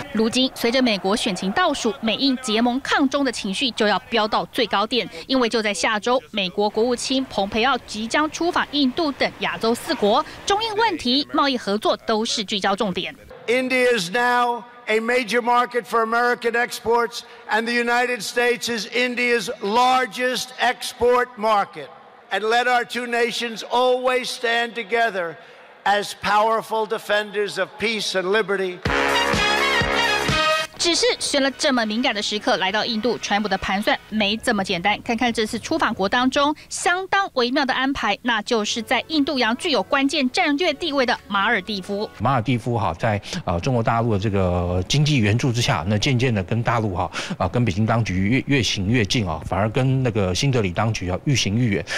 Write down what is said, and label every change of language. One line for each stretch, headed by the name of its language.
Chinese: 如今，随着美国选情倒数，美印结盟抗中的情绪就要飙到最高点。因为就在下周，美国国务卿蓬佩奥即将出访印度等亚洲四国，中印问题、贸易合作都是聚焦重点。
English: India is now a major market for American exports, and the United States is India's largest export market. And let our two nations always stand together as powerful defenders of peace and liberty.
Chinese: 只是选了这么敏感的时刻来到印度，川普的盘算没这么简单。看看这次出访国当中相当微妙的安排，那就是在印度洋具有关键战略地位的马尔蒂夫。马尔蒂夫在中国大陆的这个经济援助之下，那渐渐的跟大陆跟北京当局越行越近，反而跟那个新德里当局愈行愈远。